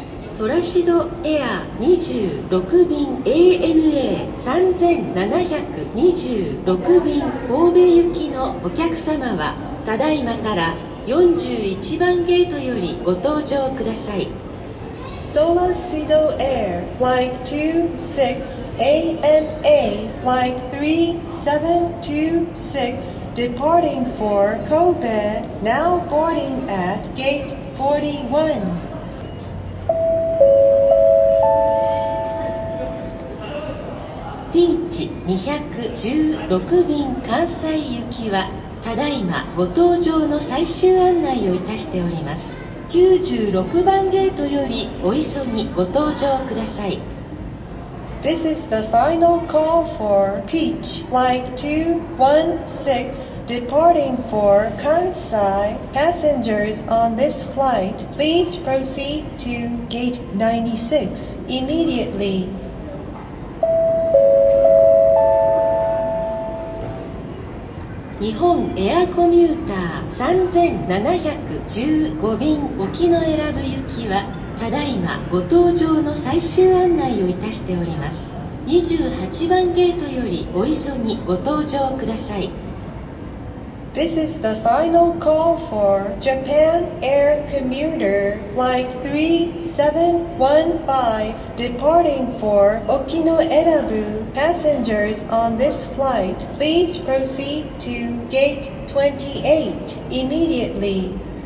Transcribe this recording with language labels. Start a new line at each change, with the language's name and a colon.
Japanese: ソラシドエア26便 ANA 3726便神戸行きのお客様はただいまから41番ゲートよりご搭乗ください。
English: ソラシドエア Flight 26 ANA Flight 3726 Departing for Kobe Now boarding at gate 41.
Japanese: ピーチ216便関西行きはただいまご搭乗の最終案内をいたしております。 96番ゲートよりお急ぎご搭乗ください。
English: This is the final call for Peach Flight 216 Departing for Kansai. Passengers on this flight, please proceed to gate 96 immediately.
Japanese: 日本エアコミューター3715便沖の選ぶ行きはただいまご搭乗の最終案内をいたしております。 28番ゲートよりお急ぎご搭乗ください。
English: This is the final call for Japan Air Commuter Flight 3715 Departing for 沖の選ぶPassengers on this flight, please proceed to gate 28 immediately.